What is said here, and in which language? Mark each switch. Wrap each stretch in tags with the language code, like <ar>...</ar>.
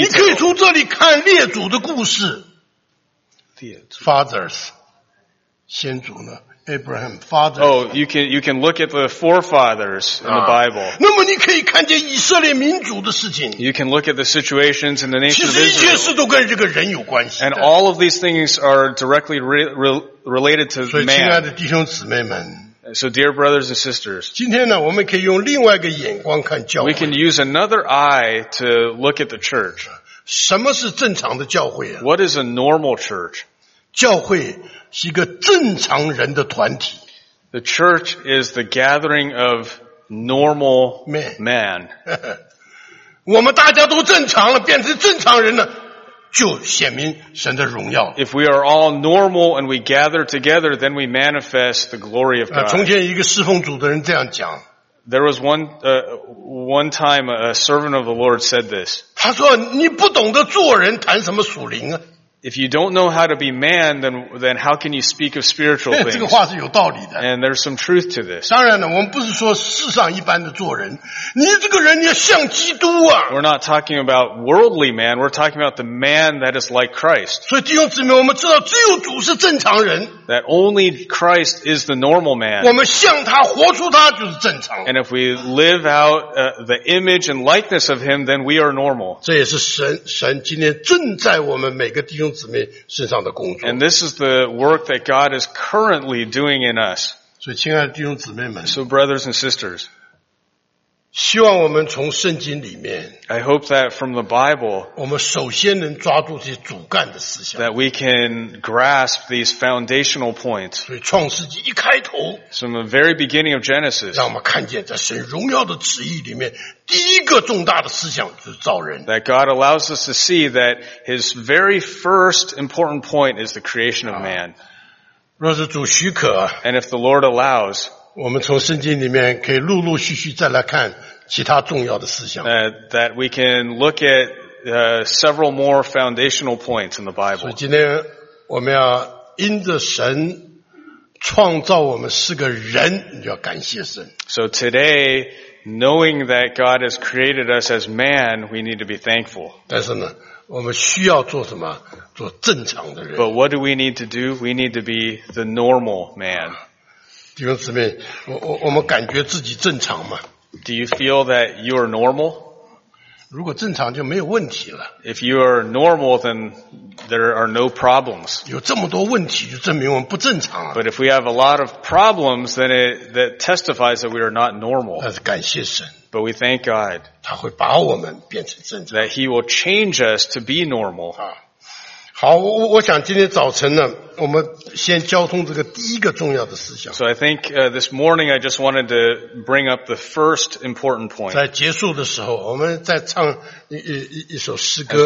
<zh>你可以从这里看列祖的故事。</zh> <en>Fathers,</en> <zh>先祖呢</zh> <en>？Abraham, fathers. Oh, you can look at the forefathers in the Bible.</en> <zh>那么你可以看见以色列民族的事情。</zh> <en>You can look at the situations in the nation of Israel.</en> <zh>其实一切事都跟这个人有关系。</zh> <en>And all of these things are directly related to man.</en> <zh>所以，亲爱的弟兄姊妹们。</zh> <en>So dear brothers and sisters,</en> <zh>今天呢，我们可以用另外一个眼光看教会。</zh> <en>We can use another eye to look at the church.</en> <zh>什么是正常的教会啊？</zh> <en>What is a normal church?</en> <zh>教会是一个正常人的团体。</zh> <en>The church is the gathering of normal man.</en> <zh>我们大家都正常了，变成正常人了。就显明神的荣耀。</zh> <en>If we are all normal and we gather together, then we manifest the glory of God.</en> <zh>从前一个侍奉主的人这样讲。</zh> <en>There was one time a servant of the Lord said this.</en> <zh>他说你不懂得做人谈什么属灵啊。</zh> <en>If you don't know how to be man, then how can you speak of spiritual things?</en> <zh>这个话是有道理的。</zh> <en>And there's some truth to this.</en> <zh>当然了，我们不是说世上一般的做人，你这个人要像基督啊。</zh> <en>We're not talking about worldly man. We're talking about the man that is like Christ.</en> <zh>所以弟兄姊妹，我们知道只有主是正常人。</zh> <en>That only Christ is the normal man.</en> <zh>我们像他，活出他就是正常。</zh> <en>And if we live out the image and likeness of him, then we are normal.</en> <zh>这也是神今天正在我们每个弟兄。</zh> <en>And this is the work that God is currently doing in us.</en> <zh>所以亲爱的弟兄姊妹们,</zh> <en>so brothers and sisters,</en> <zh>希望我们从圣经里面,</zh> <en>I hope that from the Bible,</en> <zh>我们首先能抓住这些主干的思想,</zh> <en>that we can grasp these foundational points.</en> <zh>所以创世纪一开头,</zh> <en>from the very beginning of Genesis,</en> <zh>让我们看见在神荣耀的旨意里面第一个重大的思想就是造人。</zh> <en>That God allows us to see that His very first important point is the creation of man.</en> <zh>若是主许可</zh> <en>，and if the Lord allows，</en> <zh>我们从圣经里面可以陆陆续续再来看其他重要的思想。</zh> <en>That we can look at several more foundational points in the Bible.</en> <zh>所以今天我们要因着神创造我们是个人，你就要感谢神。</zh> <en>So today。 Knowing that God has created us as man, we need to be thankful.</en> <zh>但是呢，我们需要做什么？做正常的人。</zh> <en>But what do we need to do? We need to be the normal man.</en> <zh>弟兄姊妹，我们感觉自己正常吗？</zh> <en>Do you feel that you are normal?</en> <zh>如果正常就没有问题了。</zh> <en>If you are normal, then there are no problems.</en> <zh>有这么多问题就证明我们不正常了。</zh> <en>But if we have a lot of problems, then that testifies that we are not normal.</en> <zh>但是感谢神。</zh> <en>But we thank God.</en> <zh>他会把我们变成正常。</zh> <en>That he will change us to be normal.</en> <zh>好 我想今天早晨呢我们先交通这个第一个重要的思想。</zh> <en>So I think, this morning I just wanted to bring up the first important point.</en> <zh>在结束的时候我们再唱 一首诗歌。</zh>